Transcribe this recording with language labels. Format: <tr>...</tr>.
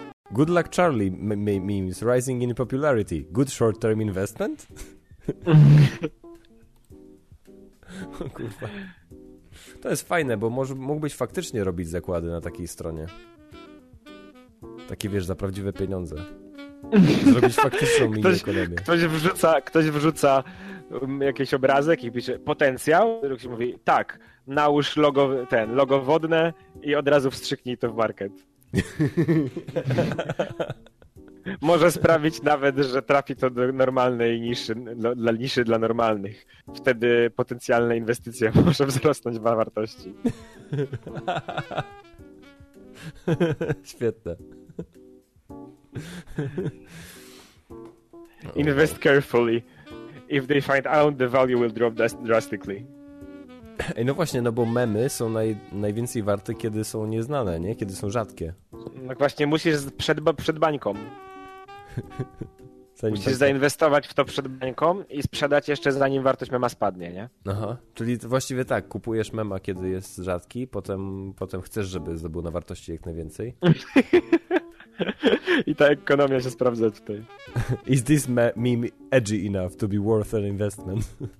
<en>Good luck Charlie memes rising in popularity. Good short term investment?</en> <pl>Kurwa. To jest fajne, bo mógłbyś faktycznie robić zakłady na takiej stronie. Takie, wiesz, za prawdziwe pieniądze. Zrobić faktyczną minę kolejną. Ktoś wrzuca jakiś obrazek i pisze potencjał, drugi mówi tak, nałóż logo wodne i od razu wstrzyknij to w market. Może sprawić nawet, że trafi to do normalnej niszy, dla normalnych. Wtedy potencjalne inwestycje może wzrosnąć w wartości. Świetne.</pl> <en>Invest carefully. If they find out, the value will drop drastically.</en> <pl>Ej, no właśnie, no bo memy są najwięcej warte, kiedy są nieznane, nie? Kiedy są rzadkie. No właśnie, musisz przed bańką. Musisz zainwestować w to przed bańką i sprzedać jeszcze zanim wartość mema spadnie, nie? Aha, czyli właściwie tak, kupujesz mema, kiedy jest rzadki, potem chcesz, żeby zdobył na wartości jak najwięcej. I ta ekonomia się sprawdza tutaj.</pl> <en>Is this meme edgy enough to be worth an investment?</en>